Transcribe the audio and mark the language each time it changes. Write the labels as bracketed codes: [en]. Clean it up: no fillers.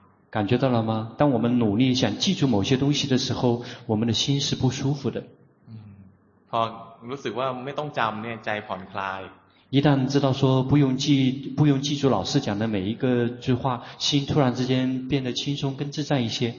[zh] 感觉到了吗当我们努力想记住某些东西的时候我们的心是不舒服的 [th] พอรู้สึกว่าไม่ต้องจำเนี่ยใจผ่อนคลาย [zh] 一旦知道说不用记住老师讲的每一个句话，心突然之间变得轻松跟自在一些。